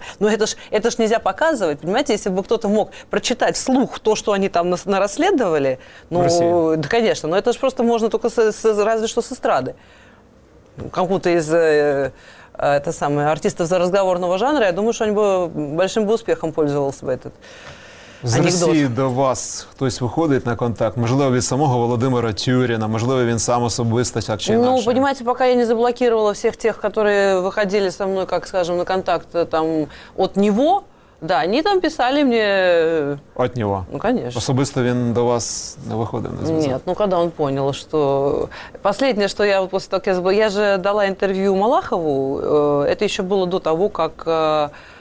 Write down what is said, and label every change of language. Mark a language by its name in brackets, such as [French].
[Russian] Ну, это ж нельзя показывать, понимаете? Если бы кто-то мог прочитать вслух то, что они там нарасследовали, ну, да, конечно, но это же просто можно только разве что с эстрады. Кому-то из это самое, артистов разговорного жанра, я думаю, что они бы большим бы успехом пользовался бы этот [Ukrainian] з анекдот. Росії до вас хтось виходить на контакт? Можливо, від самого Володимира Тюріна, можливо, він сам особисто, так чи інакше? [Russian] Ну, понимаете, [Ukrainian] поки я не заблокировала всіх тих, які виходили зі мною, як скажемо, на контакт там від нього. [Russian] Да, они там писали мне... От него? Ну, конечно. Особисто он до вас не выходил? Нет, ну, когда он понял, что... Последнее, что я вот после того, как я забыла... Я же дала интервью Малахову, это еще было до того, как...